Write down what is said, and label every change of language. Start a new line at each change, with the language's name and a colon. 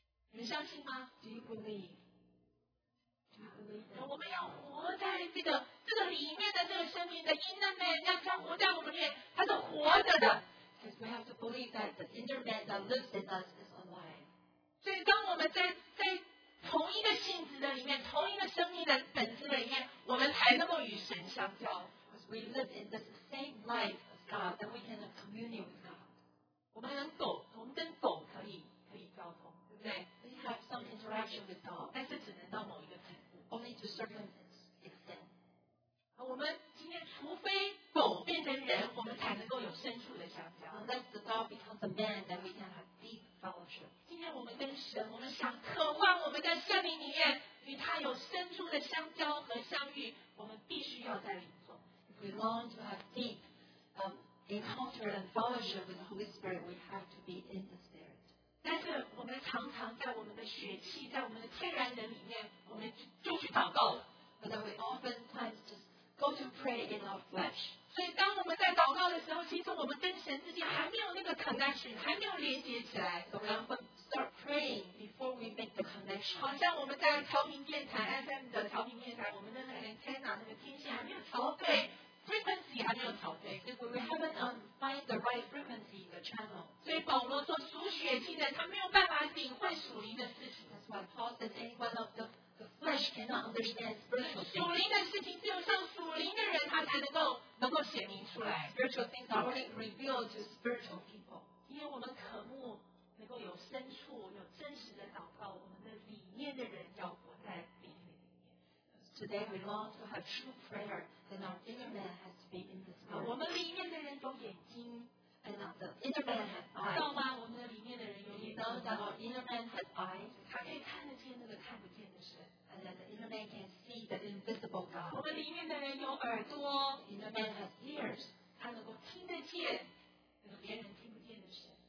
Chinese: 你相信吗？
English: Do you believe?
Chinese: 我们要活在这个里面的这个生命的 inner man， 要他活在我们里面，他是活着的。
English: Because we have to believe that the inner man that lives in us is alive.
Chinese: 所以，当我们在同一个性质的里面，同一个生命的本质的里面，我们才能够与神相交。
English: Because we live in the same life as God, then we can commune with God.
Chinese: 我们能走，我们跟狗可以交通，对不对？
English: Have some interaction with God,
Chinese: 但是只能到某一个程度
English: ，only to certain extent.
Chinese: 我们今天除非狗变成人，我们才能够有深处的相交。
English: Unless the dog becomes a man, then we can have deep fellowship.
Chinese: 今天我们跟神，我们想渴望我们在圣灵里面与他有深处的相交和相遇，我们必须要在灵中。
English: If we long to have deep encounter and fellowship with the Holy Spirit, we have to be in the Spirit.
Chinese: 但是我们常常在我们的血气，在我们的天然人里面，我们就去祷告了。
English: But then we often times just go to pray in our flesh.
Chinese: 所以当我们在祷告的时候，其实我们跟神之间还没有那个 connection， 还没有连接起来。
English: So we often start praying before we make the connection.
Chinese: 好像我们在调频电台 FM 的调频电台，我们的那个 antenna 那个天线还没有调对。 Frequency 还没有调对
English: ，we haven't find the right frequency in the channel.
Chinese: 所以保罗说，属血气的他没有办法领会属灵的事情。
English: That's why Paul says anyone of the flesh cannot understand spiritual things.
Chinese: 属灵的事情只有像属灵的人，他才能够显明出来。
English: Spiritual things are only revealed to spiritual people.
Chinese: 因为我们渴慕能够有深处有真实的祷告，我们的里面的人要活在灵里面。
English: Today we long to have true prayer. And our inner man has to be in the spirit.
Chinese: 我们里面的人有眼睛
English: ，and the inner man has eyes.
Chinese: 知道吗？我们的里面的人有眼睛。
English: You know know that our inner man has eyes.
Chinese: 他可以看得见那个看不见的神。
English: And that the inner man can see the invisible God.
Chinese: 我们里面的人有耳朵。
English: The inner man has ears.
Chinese: 他能够听得见那个别人听不见的神。